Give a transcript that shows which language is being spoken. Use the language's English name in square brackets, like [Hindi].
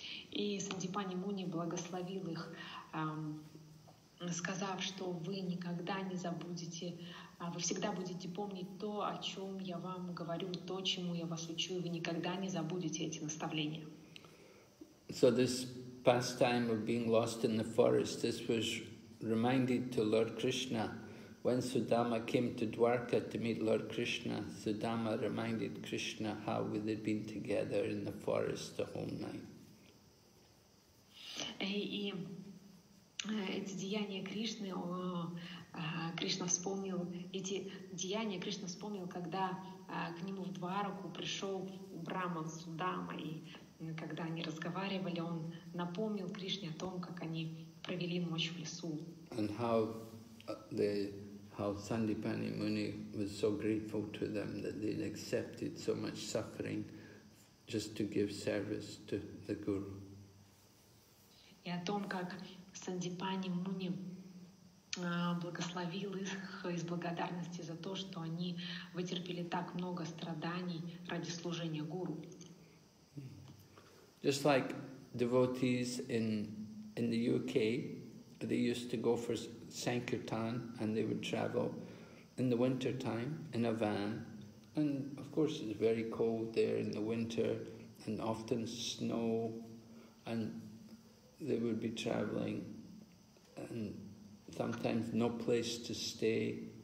[Russian] И Сандипани Муни благословил их, сказав, что вы никогда не забудете, вы всегда будете помнить то, о чем я вам говорю, то, чему я вас учу, и вы никогда не забудете эти наставления. [English] So this pastime of being lost in the forest, this was reminded to Lord Krishna. When Sudama came to Dwarka to meet Lord Krishna, Sudama reminded Krishna how we had been together in the forest the whole night. [Russian] Эти деяния Кришна вспомнил, когда к нему в Двараку пришел Браман Судама, и когда они разговаривали, он напомнил Кришне о том, как они провели ночь в лесу. [English] And how Sandipani Muni was so grateful to them that they'd accepted so much suffering just to give service to the Guru. [Russian] И о том, как Сандипани Муни благословил их из благодарности за то, что они вытерпели так много страданий ради служения Гуру. [English] Just like devotees in the UK, they used to go for Sankirtan and they would travel in the winter time in a van. And of course it's very cold there in the winter and often snow, and they would be traveling and sometimes no place to stay.